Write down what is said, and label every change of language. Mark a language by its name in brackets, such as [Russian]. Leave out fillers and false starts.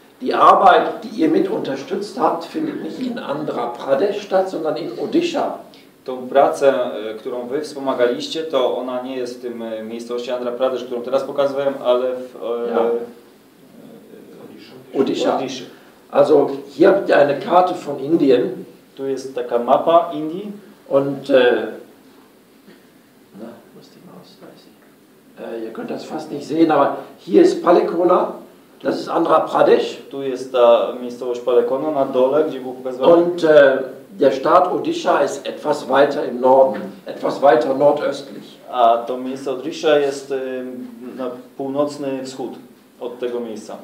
[German] Die Arbeit, die ihr mit unterstützt habt, findet nicht in Andhra Pradesh statt, sondern in Odisha. [Polish] Tą pracę, którą wy wspomagaliście, to ona nie jest w tym miejscowości Andhra Pradesh, którą teraz pokazywałem, ale w Odisha. [German] Also hier habt ihr eine Karte von Indien. [Polish] Tu jest taka mapa Indii. [German] Und wo ist die Maus? Ihr könnt das fast nicht sehen, aber hier ist Palekona. Das ist Andhra Pradesh. [Polish] Tu jest ta miejscowość Palekona na dole, gdzie Bóg wezwał. [German] Und der Staat Odisha ist etwas weiter im Norden, etwas weiter nordöstlich. [Polish] A to miejsce Odisha jest na północny wschód od tego miejsca.